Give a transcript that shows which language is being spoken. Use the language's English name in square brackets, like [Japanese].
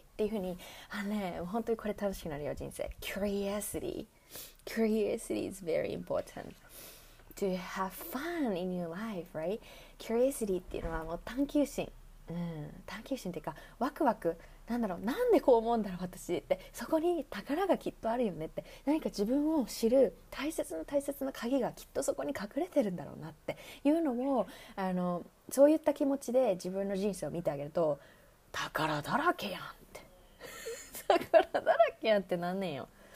[Japanese] っていうふうに、本当にこれ楽しくなるよ、人生。 [English] Curiosity. Curiosity is very important to have fun in your life, right? [Japanese] Curiosity っていうのはもう探求心、探求心っていうかワクワク、なんだろう、なんでこう思うんだろう私って、そこに宝がきっとあるよねって、何か自分を知る大切な大切な鍵がきっとそこに隠れてるんだろうなっていうのを、そういった気持ちで自分の人生を見てあげると、宝だらけやんって、宝だらけやんってなんねんよ。